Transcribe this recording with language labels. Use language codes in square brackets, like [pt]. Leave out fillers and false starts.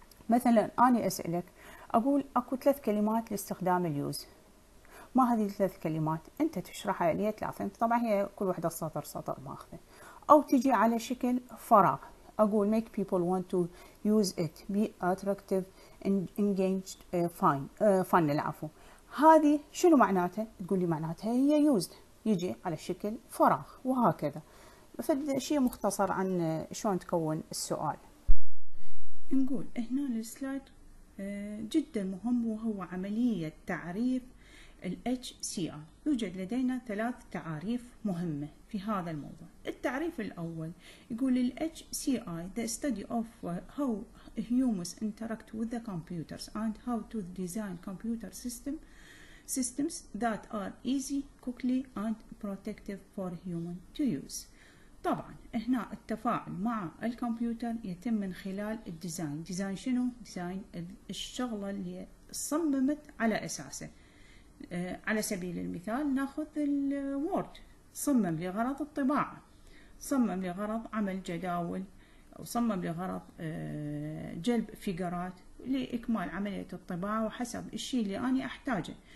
[ar] مثلا أنا أسألك أقول أكو ثلاث كلمات لاستخدام اليوز، ما هذه الثلاث كلمات؟ أنت تشرحها لي ثلاثة، أنت طبعا هي كل واحدة سطر سطر ماخذة، أو تجي على شكل فراغ أقول [en] make people want to use it, be attractive, engaged, fun [ar] العفو، هذه شنو معناتها؟ تقول لي معناتها هي used، يجي على شكل فراغ وهكذا. فد شيء مختصر عن شلون تكون السؤال. نقول هنا السلايد جدا مهم، وهو عملية تعريف ال HCR. يوجد لدينا ثلاث تعاريف مهمة في هذا الموضوع. التعريف الأول يقول ال [en] HCI the study of how humans interact with the computers and how to design computer systems that are easy, quickly and protective for human to use. [ar] طبعا هنا التفاعل مع الكمبيوتر يتم من خلال الديزاين. ديزاين شنو؟ ديزاين الشغلة اللي صممت على أساسه. على سبيل المثال ناخذ الوورد، صمم لغرض الطباعة، صمم لغرض عمل جداول، أو صمم لغرض جلب فيجرات لإكمال عملية الطباعة وحسب الشيء اللي أنا أحتاجه.